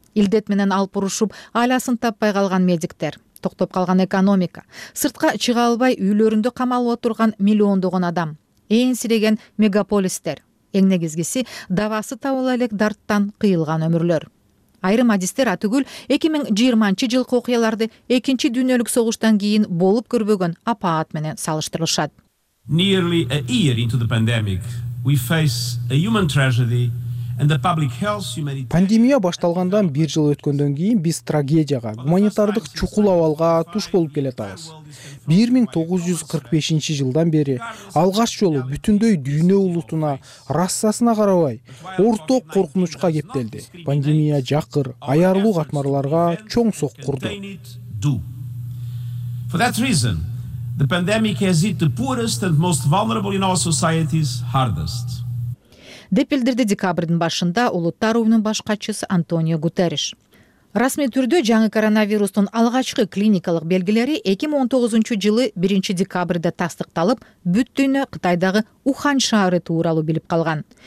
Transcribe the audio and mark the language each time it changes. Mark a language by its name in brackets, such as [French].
[Kyrgyz] Илдет менен алып урушуп, айласын таппай калган медиктер, токтоп калган экономика, сыртка чыга албай үйлөрүндө камалып отурган миллиондогон адам, эңсиреген мегаполистер, эң негизгиси давасы табыла элек дарттан кыйылган өмүрлөр. Айрым адистер атүгүл 2020 жылкы окуяларды экинчи дүйнөлүк согуштан кийин болуп көрбөгөн апаат менен салыштырышат. [English] Nearly a year into the pandemic, we face a human tragedy and the public health humanity. [Kyrgyz] Пандемия башталгандан 1 жыл өткөндөн кийин биз трагедияга, гуманитардык чукул абалга туш болуп келебиз. 1945 жылдан бери алгач жолу бүтүндөй дүйнө улутуна, расасына карабай, орток коркунучка кептелди. Пандемия жакыр, аярлуу катмарларга чоң соккурду. [English] For that reason, the pandemic has hit the poorest and most vulnerable in our societies hardest. [Kyrgyz] Деп билдирди декабрдын башында Улуттар уюмунун баш катчысы Антонио Гутериш. Расмий түрдө жаңы коронавирустун алгачкы клиникалык белгилери 2019 жылы 1 декабрда тастыкталып, бүт дүйнө Кытайдагы Ухань шаары тууралуу билип калган.